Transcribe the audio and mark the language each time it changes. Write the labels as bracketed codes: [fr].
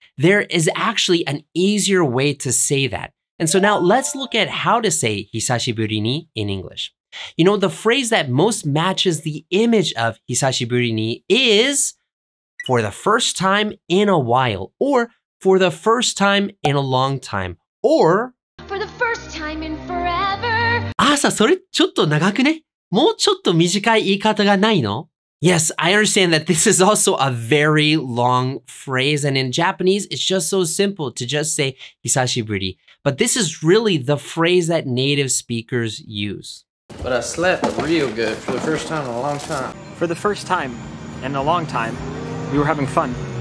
[en] There is actually an easier way to say that. And so now let's look at how to say 久しぶりに in English. You know, the phrase that most matches the image of 久しぶりに is for the first time in a while, or for the first time in a long time, or for the first time in forever. [ja] Asa, それちょっと長くね? もうちょっと短い言い方がないの? [en] Yes, I understand that this is also a very long phrase, and in Japanese, it's just so simple to just say 久しぶり. But this is really the phrase that native speakers use. But I slept real good for the first time in a long time. For the first time in a long time, we were having fun.